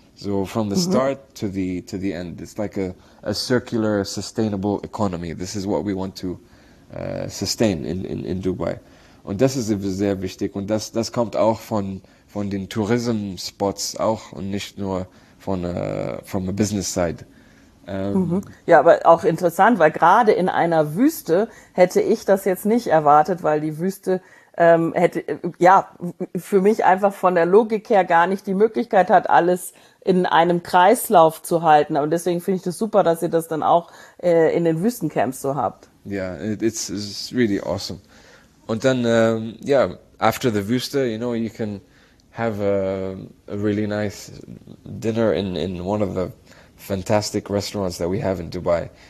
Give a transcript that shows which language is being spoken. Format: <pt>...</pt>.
<en>So from the start to the end. It's like a circular, sustainable economy. This is what we want to sustain in Dubai.</en> <de>Und das ist sehr wichtig. Und das kommt auch von den Tourism-Spots auch und nicht nur</de> <en>from a business side.</en> <de>Ja, aber auch interessant, weil gerade in einer Wüste hätte ich das jetzt nicht erwartet, weil die Wüste hätte ja für mich einfach von der Logik her gar nicht die Möglichkeit hat, alles in einem Kreislauf zu halten. Und deswegen finde ich das super, dass ihr das dann auch in den Wüstencamps so habt.</de> <en>Ja, it's really awesome.</en> <de>Und dann,</de> <en>after the Wüste, you know, you can have a really nice dinner in one of the fantastic restaurants that we have in Dubai.</en>